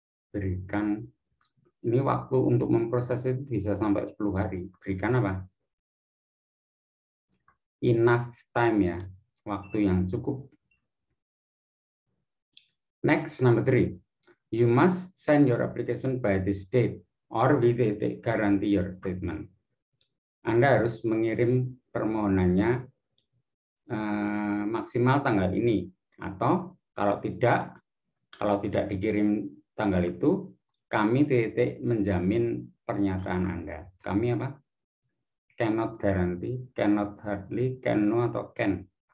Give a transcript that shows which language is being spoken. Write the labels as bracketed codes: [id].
[id] Berikan, ini waktu untuk memproses itu bisa sampai 10 hari. Berikan apa? [en] Enough time [id] ya, waktu yang cukup. [en] Next, number 3. You must send your application by this date or we will guarantee your statement. [id] Anda harus mengirim permohonannya maksimal tanggal ini. Atau kalau tidak dikirim tanggal itu, kami titik menjamin pernyataan Anda. Kami apa? [en] Cannot guarantee, cannot hardly, cannot atau can?